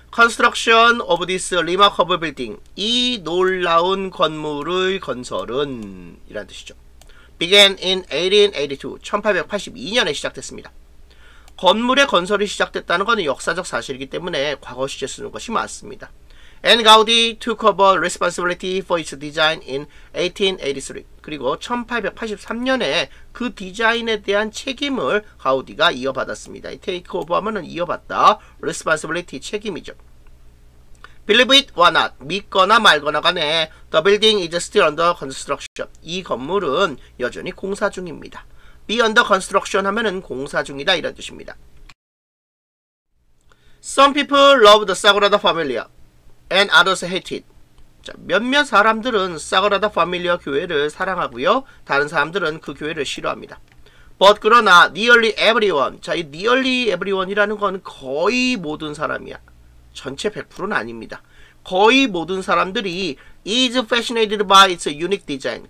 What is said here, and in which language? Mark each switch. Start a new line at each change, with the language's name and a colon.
English: construction of this remarkable building,
Korean: 이 놀라운 건물의 건설은, 이라는 뜻이죠.
English: began in 1882,
Korean: 1882년에 시작됐습니다. 건물의 건설이 시작됐다는 것은 역사적 사실이기 때문에 과거 시제 쓰는 것이 맞습니다.
English: And Gaudi took over responsibility for its design in 1883.
Korean: 그리고 1883년에 그 디자인에 대한 책임을 가우디가 이어받았습니다.
English: Take over
Korean: 하면 이어받다.
English: Responsibility
Korean: 책임이죠.
English: Believe it or not.
Korean: 믿거나 말거나 간에
English: the building is still under construction.
Korean: 이 건물은 여전히 공사 중입니다.
English: Be under construction
Korean: 하면은 공사 중이다 이런 뜻입니다.
English: Some people love the Sagrada Familia and others hate it.
Korean: 자, 몇몇 사람들은 Sagrada Familia 교회를 사랑하고요. 다른 사람들은 그 교회를 싫어합니다.
English: But
Korean: 그러나
English: nearly everyone.
Korean: 자, 이 nearly everyone이라는 건 거의 모든 사람이야. 전체 100%는 아닙니다. 거의 모든 사람들이
English: is fascinated by its unique design.